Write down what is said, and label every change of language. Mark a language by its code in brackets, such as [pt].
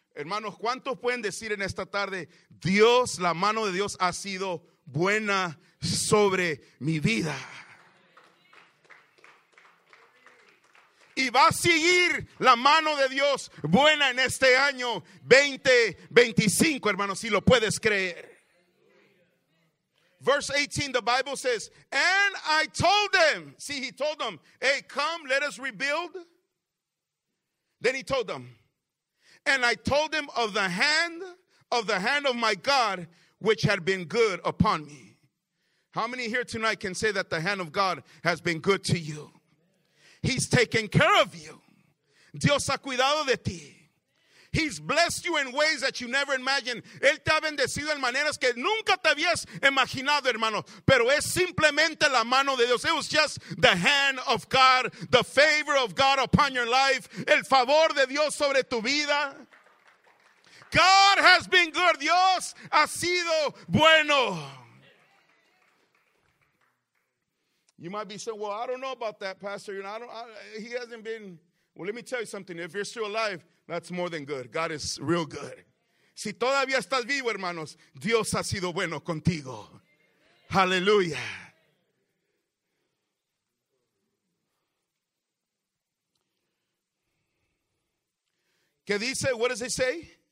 [es] Hermanos, ¿cuántos pueden decir en esta tarde, Dios, la mano de Dios ha sido buena sobre mi vida? Y va a seguir la mano de Dios buena en este año 2025, hermanos, si lo puedes creer. [en] Verse 18, the Bible says, and I told them, see, he told them, hey, come, let us rebuild. Then he told them, and I told them of the hand of my God, which had been good upon me. How many here tonight can say that the hand of God has been good to you? He's taken care of you. [es] Dios ha cuidado de ti. [en] He's blessed you in ways that you never imagined. [es] Él te ha bendecido en maneras que nunca te habías imaginado, hermano. Pero es simplemente la mano de Dios. [en] It was just the hand of God, the favor of God upon your life, [es] el favor de Dios sobre tu vida. [en] God has been good. [es] Dios ha sido bueno. [en] You might be saying, well, I don't know about that, Pastor. You know, he hasn't been. Well, let me tell you something. If you're still alive, that's more than good. God is real good. [es] Si todavía estás vivo, hermanos, Dios ha sido bueno contigo. [en] Hallelujah. [es] ¿Qué dice? [en] What does it say?